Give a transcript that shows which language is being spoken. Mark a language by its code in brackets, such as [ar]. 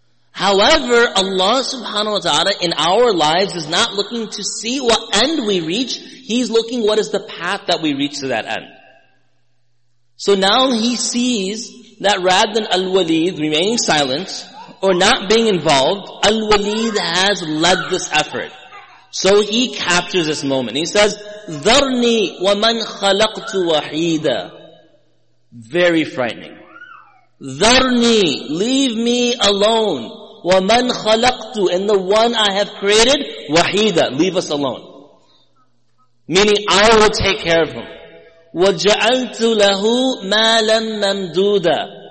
[en] However, Allah subhanahu wa ta'ala in our lives is not looking to see what end we reach. He's looking what is the path that we reach to that end. So now he sees that rather than Al-Walid remaining silent or not being involved, Al-Walid has led this effort. So he captures this moment. He says, [ar] ذَرْنِي وَمَنْ خَلَقْتُ وَحِيدًا. [en] Very frightening. [ar] ذَرْنِي, [en] leave me alone. [ar] وَمَنْ خَلَقْتُ, [en] and the one I have created, [ar] وَحِيدًا, [en] leave us alone. meaning I will take care of him. [ar] وَجَعَلْتُ لَهُ مَالًا مَمْدُودًا.